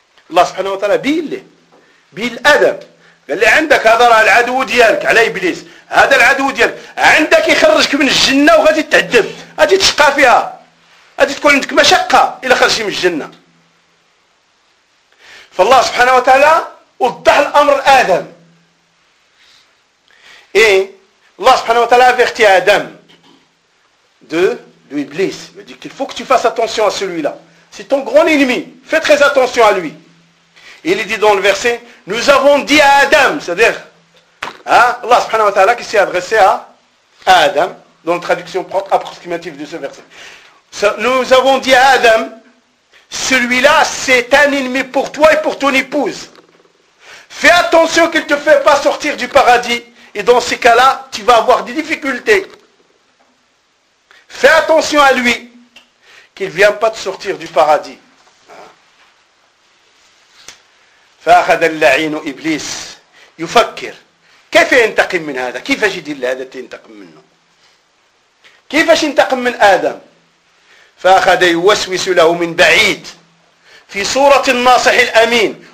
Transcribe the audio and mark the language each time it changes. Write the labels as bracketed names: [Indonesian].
[Arabic] الله سبحانه وتعالى بيل آدم قال لي عندك هذا راه العدو ديالك على إبليس هذا العدو ديالك عندك يخرجك من الجنة وغادي تعذب غادي تشقى فيها غادي تكون عندك مشقة إلى خرجتي من الجنة. فالله سبحانه وتعالى وضح الأمر آدم [French] Et Allah subhanahu wa ta'ala avertit Adam de l'Iblis. Il dit qu'il faut que tu fasses attention à celui-là. C'est ton grand ennemi. Fais très attention à lui. Et il dit dans le verset, nous avons dit à Adam, c'est-à-dire, hein, Allah subhanahu wa ta'ala qui s'est adressé à Adam, dans la traduction propre approximative de ce verset. Nous avons dit à Adam, celui-là c'est un ennemi pour toi et pour ton épouse. Fais attention qu'il ne te fait pas sortir du paradis. Et dans ces cas-là, tu vas avoir des difficultés. Fais attention à lui, qu'il ne vient pas te sortir du paradis. [Arabic] فأخذ اللعين إبليس يفكر كيف ينتقم من هذا، كيف أجد هذا ينتقم منه، كيف ينتقم من آدم؟ فأخذ يوسوس له من بعيد في صورة الناصح الأمين.